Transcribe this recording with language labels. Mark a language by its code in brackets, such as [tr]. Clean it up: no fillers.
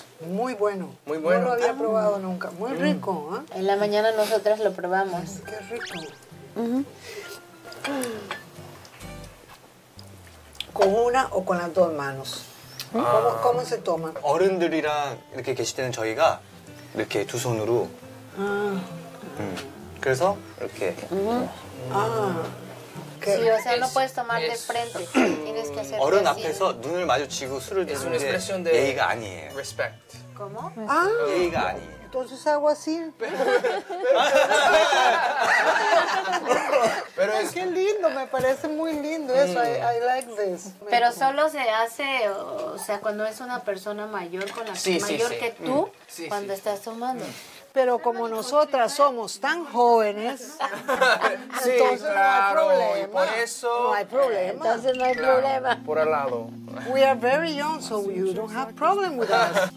[es] Muy bueno. Muy bueno. No lo había probado nunca. Muy rico, ¿eh? En la mañana nosotras lo probamos. Ay, qué rico. ¿Con una o con las dos manos? ¿Cómo se toman? [ko] 어른들이랑 이렇게 계실 때는 저희가 이렇게 두 손으로. 그래서 이렇게. [es] Sí, o sea, no puedes tomar de frente. Tienes que hacer. [ko] 어른 앞에서 눈을 마주치고 술을 드는 게 예의가 아니에요. [en] Respect. [es] ¿Cómo? [ko] Ah, 예의가 아니에요. [es] Entonces hago así. Pero es que lindo, me parece muy lindo eso. [en] I like this. [es] Pero solo se hace, o sea, cuando es una persona mayor con la mayor que tú cuando estás tomando. Pero como nosotras somos tan jóvenes, sí, entonces claro, no hay problema. Y por eso, no hay problema. Entonces no hay problema. Por al lado. [en] We are very young, so you don't have problem with us.